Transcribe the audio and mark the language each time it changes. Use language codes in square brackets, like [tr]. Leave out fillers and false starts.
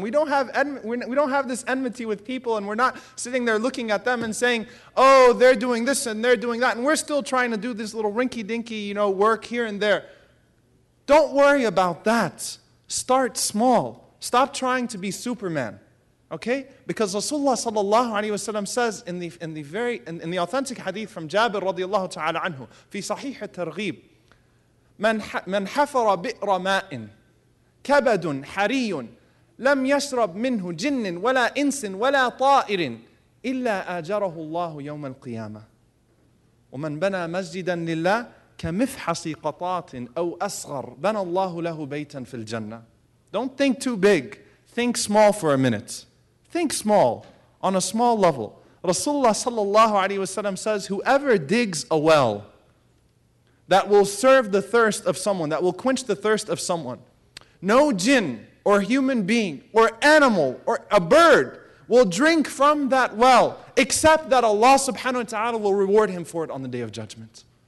[en] We don't have this enmity with people, and we're not sitting there looking at them and saying, oh, they're doing this and they're doing that, and we're still trying to do this little rinky-dinky, you know, work here and there. Don't worry about that. Start small. Stop trying to be Superman. Okay? Because Rasulullah sallallahu alayhi wa sallam says in the authentic hadith from Jabir radiallahu ta'ala anhu, fi sahih al-targhib, [ar] من حفر بئر ماء كبد حري لم يشرب منه جن ولا إنس ولا طائر إلا آجره الله يوم القيامة ومن بنى مسجدا لله كمفحص قطات أو أصغر بنى الله له بيتا في الجنة. [en] Don't think too big. Think small for a minute. Think small on a small level. Rasulullah sallallahu alayhi wasallam says, whoever digs a well that will serve the thirst of someone, that will quench the thirst of someone, no jinn or human being or animal or a bird will drink from that well except that Allah subhanahu wa ta'ala will reward him for it on the Day of Judgment.